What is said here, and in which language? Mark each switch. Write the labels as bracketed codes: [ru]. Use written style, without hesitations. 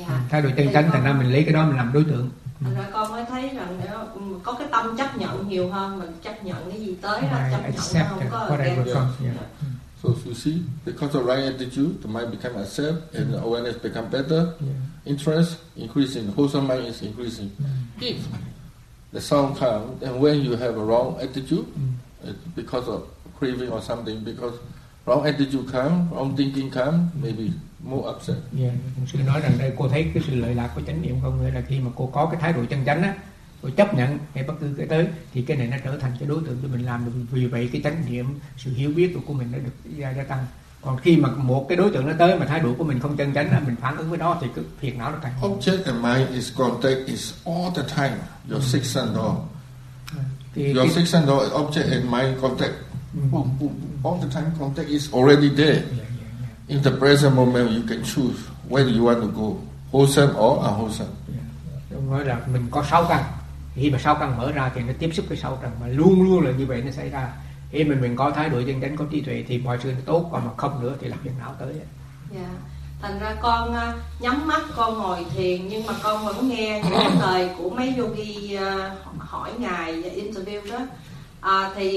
[vi] Thái độ chân chánh thành ra mình lấy cái đó mình làm đối tượng. Rồi con mới thấy rằng có cái tâm chấp nhận nhiều hơn, mình chấp nhận cái gì tới là chấp nhận, không có [en] whatever comes. So you see, because of right attitude, the mind become accept and the awareness become better. Interest increasing, wholesome mind is increasing. If the sound comes, and when you have a wrong attitude, because of craving or something, because wrong attitude come, wrong thinking come, maybe more upset. [vi] Yeah, sư nói rằng đây cô thấy cái sự lợi lạc của chánh niệm không, nghĩa là khi mà cô có cái thái độ chân chánh á, cô chấp nhận ngay bất cứ cái tới, thì cái này nó trở thành cái đối tượng cho mình làm được. Vì vậy cái chánh niệm, sự hiểu biết của mình nó được gia tăng. Còn khi mà một cái đối tượng nó tới mà thái độ của mình không chân chánh á, mình phản ứng với nó thì cứ phiền não nó càng. [en] Object and mind is contact is all the time. Your six sense door. Your six sense door, object and mind contact. Boom, boom, boom. All the time contact is already there. In the present moment, you can choose where you want to go, wholesome or unwholesome. [vi] Đúng rồi, là mình có sáu căn. Khi mà sáu căn mở ra thì nó tiếp xúc với sáu căn, mà luôn luôn là như vậy nó xảy ra. Khi mình có thái độ chân chánh, có trí tuệ thì mọi sự tốt, còn mà không nữa thì làm việc nào tới. Yeah. Thành ra con nhắm mắt con ngồi thiền, nhưng mà con vẫn nghe những lời của mấy yogi hỏi ngài interview đó.